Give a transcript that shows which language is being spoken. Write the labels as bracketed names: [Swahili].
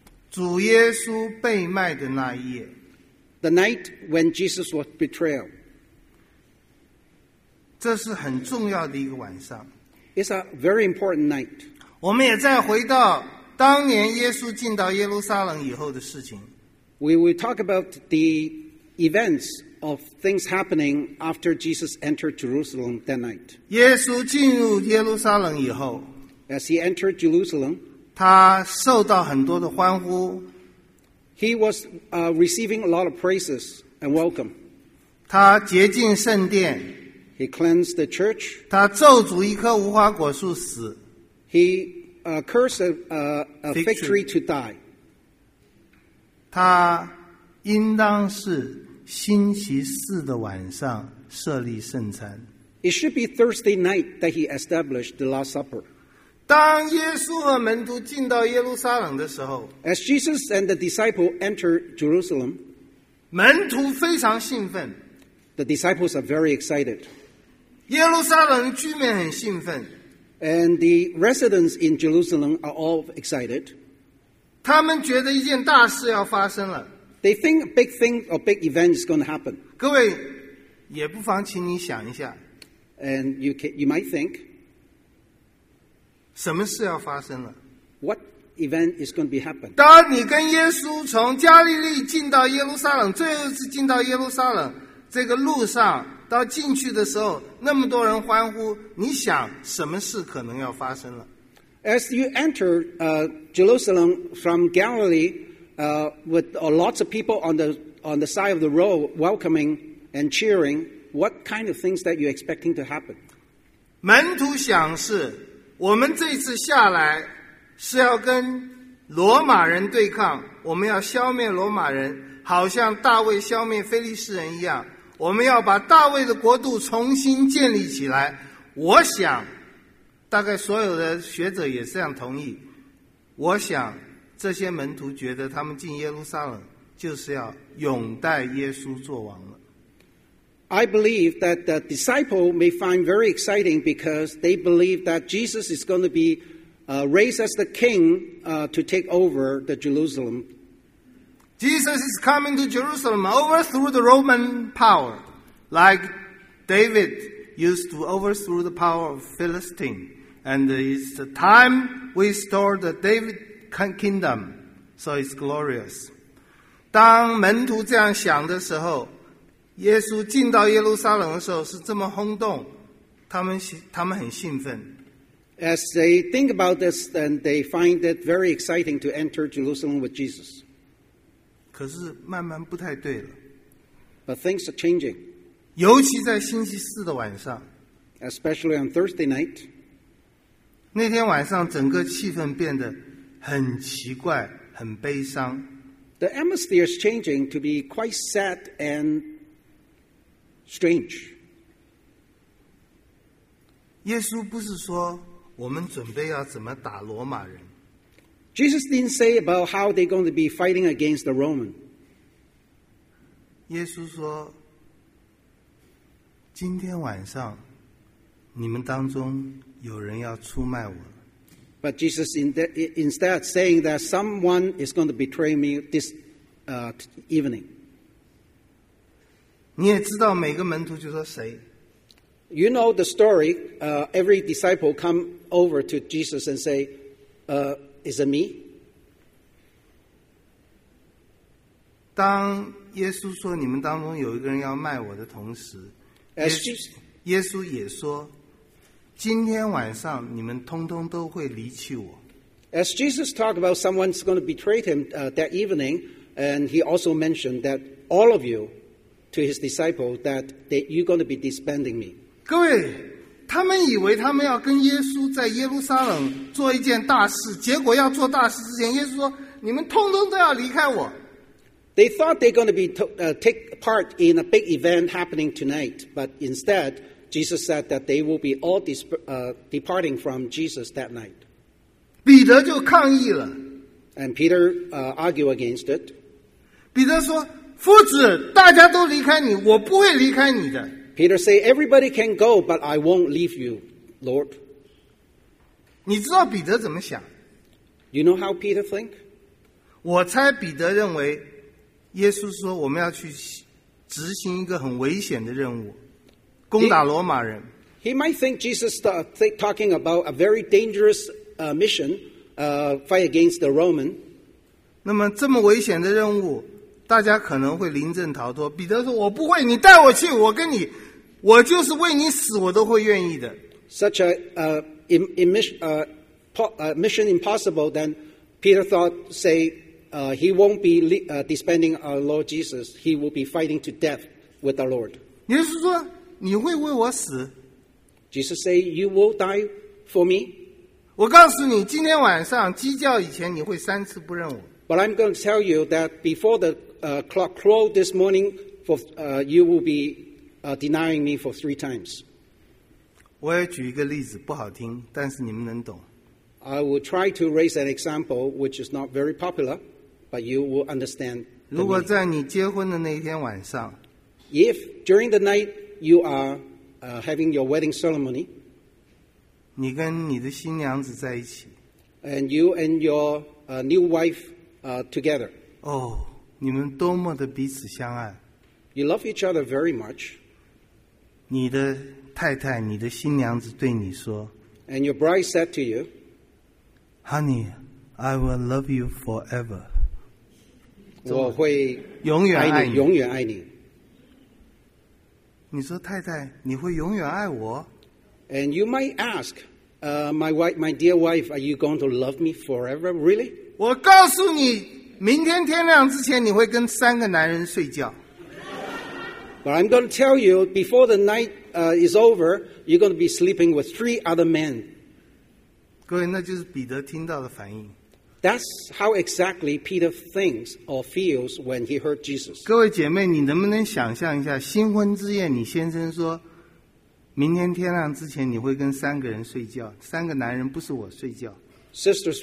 [Chinese] 主耶稣被卖的那一夜。 [English] The night when Jesus was betrayed. [Chinese] 这是很重要的一个晚上。 [English] It's a very important night. [Chinese] 我们也再回到当年耶稣进到耶路撒冷以后的事情。 [English] We will talk about the events of things happening after Jesus entered Jerusalem that night. [Chinese] 耶稣进入耶路撒冷以后, [English] as he entered Jerusalem, [Chinese] 他受到很多的欢呼。 [English] He was receiving a lot of praises and welcome. [Chinese] 他洁净圣殿。 [English] He cleansed the church. [Chinese] 他咒诅一棵无花果树死。 [English] He cursed a fig tree to die. [Chinese] 他应当是星期四的晚上设立圣餐。 [English] It should be Thursday night that he established the Last Supper. [Chinese] 当耶稣和门徒进到耶路撒冷的时候， [English] As Jesus and the disciple entered Jerusalem, [Chinese] 门徒非常兴奋。 [English] The disciples are very excited. [Chinese] 耶路撒冷居民很兴奋。 [English] And the residents in Jerusalem are all excited. [Chinese] 他们觉得一件大事要发生了。 [English] They think a big thing or big event is going to happen. [Chinese] 各位，也不妨请你想一下。 [English] And you might think, [Chinese] 什么事要发生了？ [English] What event is going to be happen? [Chinese] 当你跟耶稣从加利利进到耶路撒冷，最后一次进到耶路撒冷，这个路上到进去的时候，那么多人欢呼，你想什么事可能要发生了？ [English] As you enter Jerusalem from Galilee, with lots of people on the side of the road welcoming and cheering. What kind of things that you're expecting to happen? [Chinese] 门徒想是，我们这次下来是要跟罗马人对抗，我们要消灭罗马人，好像大卫消灭腓力士人一样，我们要把大卫的国度重新建立起来。我想，大概所有的学者也这样同意。我想，这些门徒觉得他们进耶路撒冷就是要拥戴耶稣作王了。 [English] I believe that the disciple may find very exciting because they believe that Jesus is going to be raised as the king to take over the Jerusalem. Jesus is coming to Jerusalem, overthrow the Roman power, like David used to overthrow the power of Philistine. And it's the time we restore the David kingdom, so it's glorious. [Chinese] 当门徒这样想的时候，耶稣进到耶路撒冷的时候是这么轰动，他们很兴奋。 [English] As they think about this, then they find it very exciting to enter Jerusalem with Jesus. [Chinese] 可是慢慢不太对了。 [English] But things are changing. [Chinese] 尤其在星期四的晚上。 [English] Especially on Thursday night. [Chinese] 那天晚上整个气氛变得很奇怪，很悲伤。 [English] The atmosphere is changing to be quite sad and Strange. [Chinese] 耶稣不是说我们准备要怎么打罗马人。 [English] Jesus didn't say about how they're going to be fighting against the Roman. [Chinese] 耶稣说，今天晚上你们当中有人要出卖我。 [English] But Jesus instead saying that someone is going to betray me this evening. [Chinese] 你也知道每个门徒就说谁。 [English] You know the story. Every disciple come over to Jesus and say, "Is it me?" [Chinese] 当耶稣说你们当中有一个人要卖我的同时，耶稣也说，今天晚上你们通通都会离弃我。 [English] As Jesus talked about someone's going to betray him that evening, and he also mentioned that all of you. To his disciple, that you're going to be disbanding me. [Chinese] 各位，他们以为他们要跟耶稣在耶路撒冷做一件大事，结果要做大事之前，耶稣说：“你们通通都要离开我。” [English] They thought they're going to be take part in a big event happening tonight, but instead, Jesus said that they will be all departing from Jesus that night. [Chinese] 彼得就抗议了 [English] ，and Peter argued against it. [Chinese] 彼得说。夫子，大家都离开你，我不会离开你的。 [English] Peter say, "Everybody can go, but I won't leave you, Lord." [Chinese] 你知道彼得怎么想 [English] ？You know how Peter think? [Chinese] 我猜彼得认为，耶稣说我们要去执行一个很危险的任务，攻打罗马人。 [English] He might think Jesus talking about a very dangerous mission, fight against the Roman. [Chinese] 那么这么危险的任务。大家可能会临阵逃脱。彼得说：“我不会，你带我去，我跟你，我就是为你死，我都会愿意的。” [English] Such a Mission Impossible, then Peter thought, say, he won't be disbanding our Lord Jesus. He will be fighting to death with our Lord. [Chinese] 耶稣说, 你会为我死? [English] Jesus said, you will die for me. [Chinese] 我告诉你, 今天晚上, 鸡叫以前, 你会三次不认我。 [English] But I'm going to tell you that before the clock crow this morning, you will be denying me for three times. [Chinese] 我也举一个例子, 不好听, [English] I will try to raise an example which is not very popular, but you will understand. [Chinese] 如果在你结婚的那一天晚上, [English] if during the night you are having your wedding ceremony, [Chinese] 你跟你的新娘子在一起, [English] and you and your new wife together, [Chinese] oh, 你们多么的彼此相爱, [English] you love each other very much. [Chinese] 你的太太, 你的新娘子对你说, [English] and your bride said to you, Honey, I will love you forever. [Chinese] 我会永远爱你。永远爱你。你说太太, 你会永远爱我? [English] And you might ask, my wife, my dear wife, are you going to love me forever? Really? [Chinese] 我告诉你, 明天天亮之前, 你会跟三个男人睡觉。 [English] But I'm going to tell you, before the night is over, you're going to be sleeping with three other men. [Chinese] 各位,那就是彼得听到的反应。 [English] That's how exactly Peter thinks or feels when he heard Jesus. [Chinese] 各位姐妹,你能不能想象一下,新婚之夜,你先生说,明天天亮之前,你会跟三个人睡觉,三个男人不是我睡觉。 [English] Sisters,